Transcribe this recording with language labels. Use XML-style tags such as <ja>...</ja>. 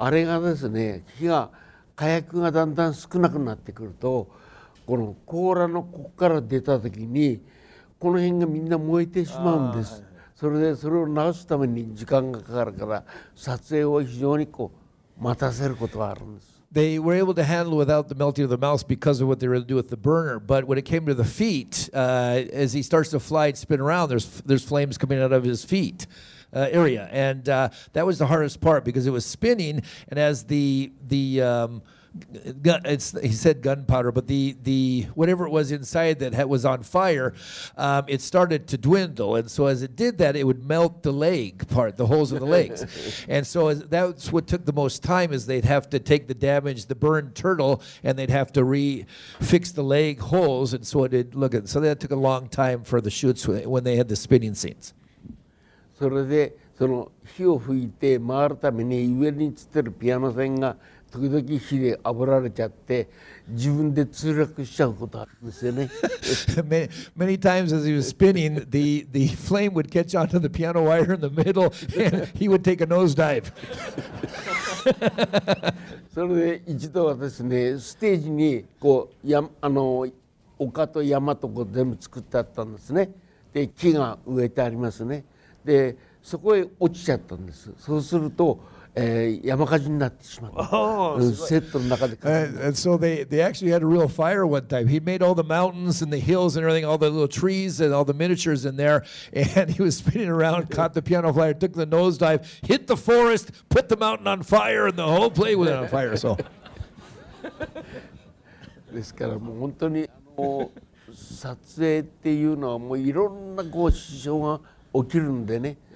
<ja>で、ガメラがこう回りますね。そうすると、足からこう火を吹いてますね。足のところ。で、あれがですね、火が 火薬がだんだん少なくなってくると、この甲羅のここから出た時に、この辺がみんな燃えてしまうんです。それでそれを直すために時間がかかるから、撮影を非常にこう待たせることがあるんです。</ja> <en>They were able to handle without the melting of the mouse because of what they were able to do with the burner. But when it came to the feet, as he starts to fly and spin around, there's flames coming out of his feet, area. And that was the hardest part because it was spinning, and as the whatever it was inside that was on fire, it started to dwindle. And so as it did that, it would melt the leg part, the holes of the legs. And so that's what took the most time, is they'd have to take the damage, the burned turtle, and they'd have to re-fix the leg holes. And so it did look at. So that took a long time for the shoots when they had the spinning scenes. So</en> <ja>その火を吹いて回るために上に映ってるピアノ線が時々火で炙られちゃって自分で墜落しちゃうことあるんですよね。</ja> <en>Many times as he was spinning, the flame would catch onto the piano wire in the middle and he would take a nosedive.</en> <ja>それで一度はですね、ステージにこう山あの丘と山とこう全部作ってあったんですね。で木が植えてありますね。でそこへ落ちちゃったんです。そうすると、山火事になってしまった。セットの中で。</ja> <en>And so they actually had a real fire one time. He made all the mountains and the hills and everything, all the little trees and all the miniatures in there, and he was spinning around, caught the piano flyer, took the nosedive, hit the forest, put the mountain on fire, and the whole play was on fire. So.</en> <ja>ですからもう本当にもう撮影っていうのはもういろんなこう支障が起きるんでね。</ja>